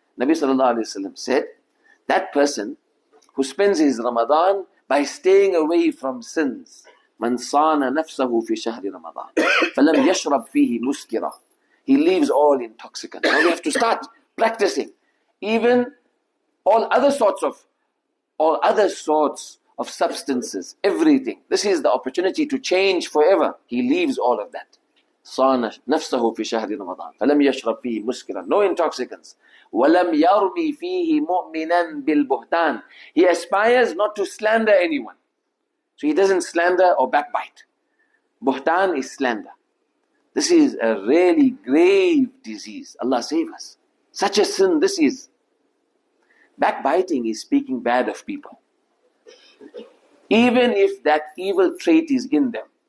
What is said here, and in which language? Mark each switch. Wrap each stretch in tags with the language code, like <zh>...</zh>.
<en>Nabi sallallahu alayhi wa sallam said, that person who spends his Ramadan by staying away from sins,</en> <ar>مَنْ صَانَ نَفْسَهُ فِي شَهْرِ رَمَضَانِ فَلَمْ يَشْرَبْ فِيهِ مُسْكِرًا.</ar> <en>He leaves all intoxicants. Now we have to start practicing even all other sorts of substances, everything. This is the opportunity to change forever. He leaves all of that.</en> <ar>صان نفسه في شهر رمضان فلم يشرب فيه مسكرا</ar> <en>no intoxicants</en> <ar>ولم يرمي فيه مؤمنا بالبهتان.</ar> <en>He aspires not to slander anyone, so he doesn't slander or backbite. بهتان is slander. This is a really grave disease. Allah save us. Such a sin this is. Backbiting is speaking bad of people, even if that evil trait is in them.</en>